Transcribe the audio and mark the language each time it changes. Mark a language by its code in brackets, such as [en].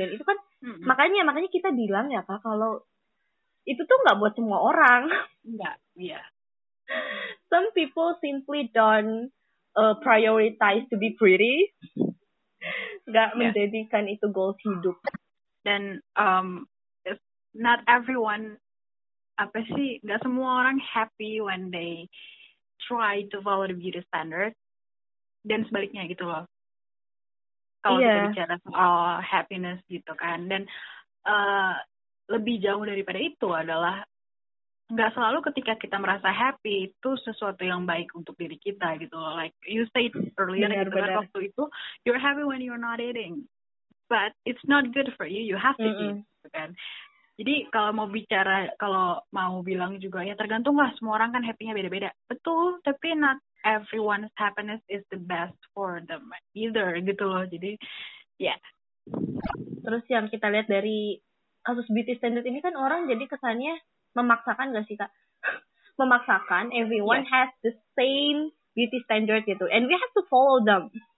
[id] Dan itu kan makanya kita bilang ya kak, kalau itu tuh nggak buat semua orang. Nggak, iya. [en] Some people simply don't prioritize to be pretty. [id] Nggak menjadikan itu goals hidup. Dan [en] not everyone, [id] apa sih, gak semua orang happy [en] when they try to follow the beauty standard, [id] dan sebaliknya gitu loh. Kalau kita bicara soal happiness gitu kan, dan lebih jauh daripada itu adalah, gak selalu ketika kita merasa happy, itu sesuatu yang baik untuk diri kita gitu loh. [en] Like you said earlier, [id] waktu itu, [en] you're happy when you're not eating. But it's not good for you. You have to eat, kan? [id] Jadi kalau mau bicara, kalau mau bilang juga ya tergantung lah. Semua orang kan happy-nya beda-beda. Betul. [en] Tapi not everyone's happiness is the best for them either, [id] gitu loh. Jadi, Terus yang kita lihat dari kasus beauty standard ini kan orang jadi kesannya memaksakan nggak sih kak? [en] Memaksakan everyone has the same beauty standard gitu, and we have to follow them.